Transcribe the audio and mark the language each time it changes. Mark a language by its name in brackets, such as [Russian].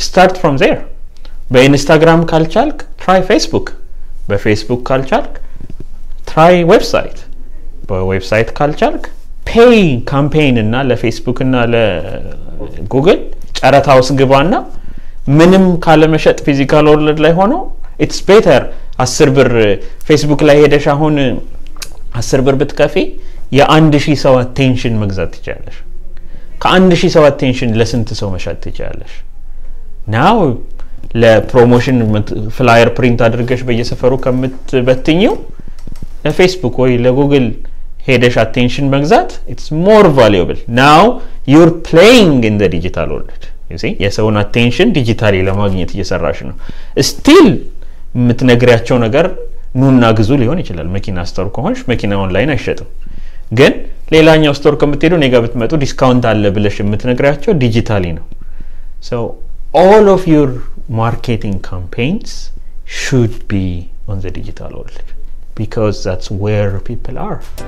[English] ስታርት ፍሮም ዘር [Amharic] በኢንስታግራም ካልቻልክ [English] ትራይ ፌስቡክ [Amharic] በፌስቡክ ካልቻልክ ትራይ ዌብሳይት በዌብሳይት ካልቻልክ ፔይ ካምፔይን እና ለፌስቡክ እና ለጉግል ጨረታውስ ግባና ምንም ካለመሸጥ ፊዚካል ወርልድ ላይ ሆኖ [English] ኢትስ ቤተር [Amharic] 10 ብር ፌስቡክ ላይ ሄደሽ አሁን 10 ብር ብትከፊ የ1000 ሰው አቴንሽን መግዛት ይችላል። ከአንድ ሺህ ሰው አቴንሽን ለስንት ሰው መሸጥ ይችላል? now ለፕሮሞሽን ፍላየር ፕሪንት አድርገሽ በየሰፈሩ ከምትበትኚው ለፌስቡክ ወይ ለጉግል ሄደሽ አቴንሽን መግዛት [English] it's more valuable. now you're playing in the digital world. you see? [Amharic] የሰውን አቴንሽን ዲጂታሊ ለማግኘት እየሰራሽ ነው። still የምትነግሪያቸው ነገር ኑና ግዙ ሊሆን ይችላል። መኪና ስቶር ከሆንሽ መኪና ኦንላይን አይሸጥም። ግን ሌላኛው ስቶር ከመጥቶ ነው ጋር ብትመጡ ዲስካውንት አለ ብለሽ የምትነግራቸው ዲጂታሊ ነው። [English] so all of your marketing campaigns should be on the digital world because that's where people are.